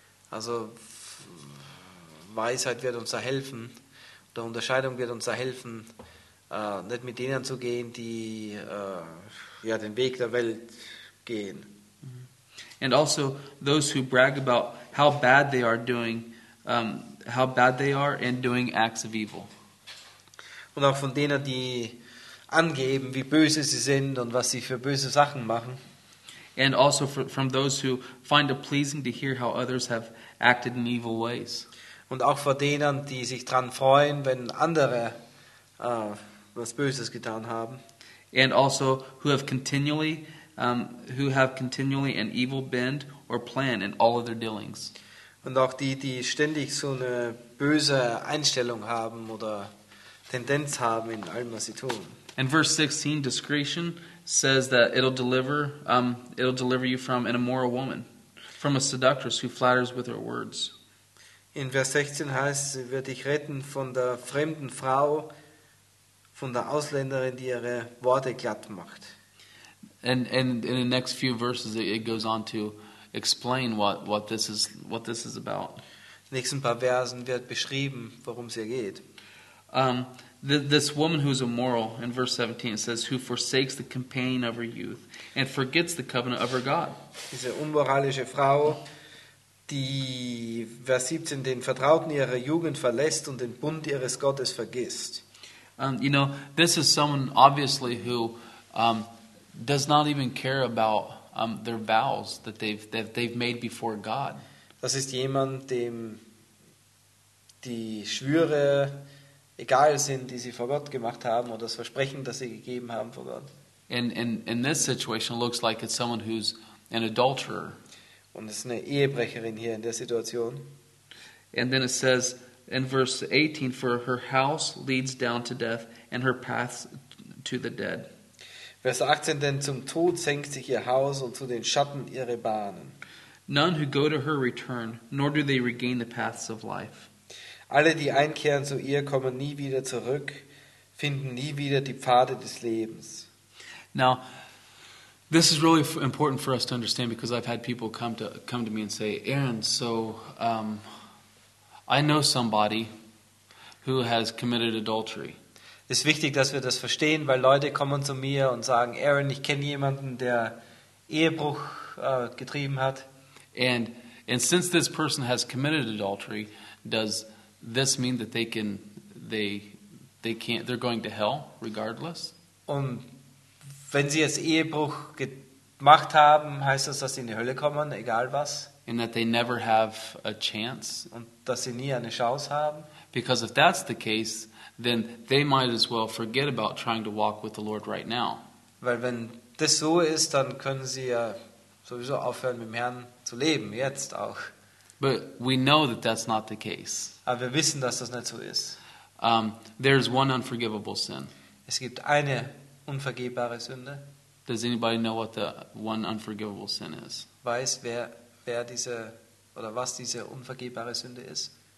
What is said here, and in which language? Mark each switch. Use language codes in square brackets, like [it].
[de] Also Weisheit wird uns da helfen, oder Unterscheidung wird uns da helfen, nicht mit denen zu gehen, die den Weg der Welt gehen. [en] And also those who brag about how bad they are doing, how bad they are and doing acts of evil. [de] Und auch von denen, die angeben, wie böse sie sind und was sie für böse Sachen machen. [en] And also from those who find it pleasing to hear how others have acted in evil ways. [de] Und auch von denen, die sich dran freuen, wenn andere was Böses getan haben. [en] And also who have continually an evil bend or plan in all of their dealings. [de] Und auch die, die ständig so eine böse Einstellung haben oder Tendenz haben in allem, was sie tun. [en] In verse 16, discretion says that it'll deliver you from an immoral woman, from a seductress who flatters with her words. [de] In Vers 16 heißt, sie wird dich retten von der fremden Frau, von der Ausländerin, die ihre Worte glatt macht. [en] And in the next few verses, it goes on to explain what this is about. [de] In den nächsten paar Versen wird beschrieben, worum es hier geht. [en] This woman who is immoral, in verse 17, it says, who forsakes the companion of her youth and forgets the covenant of her God. [de] Diese unmoralische Frau, die Vers 17 den Vertrauten ihrer Jugend verlässt und den Bund ihres Gottes vergisst. [en] You know, this is someone obviously who does not even care about their vows that they've made before God. [de] Das ist jemand, dem die Schwüre egal sind, die sie vor Gott gemacht haben oder das Versprechen, das sie gegeben haben vor Gott. [en] In this situation looks like it's someone who's an adulterer. [de] Und es ist eine Ehebrecherin hier in der Situation. [en] And then it says in verse 18, for her house leads down to death and her paths to the dead. [de] Vers 18, denn zum Tod senkt sich ihr Haus und zu den Schatten ihre Bahnen. [en] None who go to her return, nor do they regain the paths of life. [de] Alle, die einkehren zu ihr, kommen nie wieder zurück, finden nie wieder die Pfade des Lebens. [en] Now, this is really important for us to understand, because I've had people come to me and say, Aaron, so I know somebody who has committed adultery. [de] Es ist wichtig, dass wir das verstehen, weil Leute kommen zu mir und sagen, Aaron, ich kenne jemanden, der Ehebruch getrieben hat. [en] And since this person has committed adultery, does this mean that they're going to hell regardless? [de] Und wenn sie jetzt Ehebruch gemacht haben, heißt das, dass sie in die Hölle kommen, egal was? [en] And that they never have a chance? [de] Und dass sie nie eine Chance haben? [en] Because if that's the case, then they might as well forget about trying to walk with the Lord right now. [de] Weil wenn das so ist, dann können sie ja sowieso aufhören, mit dem Herrn zu leben, jetzt auch. [en] But we know that that's not the case. [de] Aber wir wissen, dass das nicht so ist. [en] There's one unforgivable sin. [de] Es gibt eine unvergebbare Sünde. [en] Does anybody know what the one unforgivable sin is? [de] Weiß wer diese oder was diese unvergebbare Sünde ist?